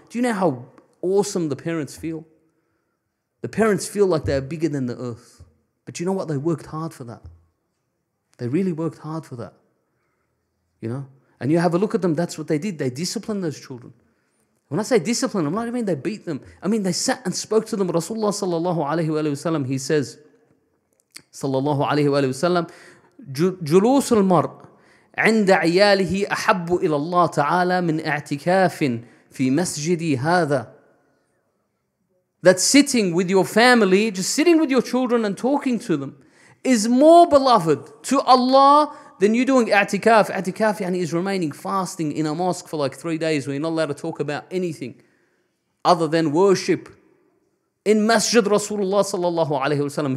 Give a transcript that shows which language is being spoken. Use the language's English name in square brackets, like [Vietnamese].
[English] Do you know how awesome the parents feel? The parents feel like they're bigger than the earth. But you know what? They worked hard for that. They really worked hard for that. You know? And you have a look at them, that's what they did. They disciplined those children. When I say discipline, I'm not even they beat them. I mean, they sat and spoke to them. [Arabic] Rasulullah sallallahu alayhi wa sallam, [English] he says, [Arabic] sallallahu alayhi wa sallam, جُلُوسُ الْمَرْءِ عِنْدَ عِيَالِهِ أَحَبُّ إِلَى اللَّهِ تَعَالَى مِنْ اَعْتِكَافٍ فِي مَسْجِدِي هَذَا. [English] That sitting with your family, just sitting with your children and talking to them, is more beloved to Allah than you doing i'tikaf. I'tikaf yani is remaining fasting in a mosque for like 3 days where you're not allowed to talk about anything other than worship in Masjid Rasulullah sallallahu alayhi wa sallam.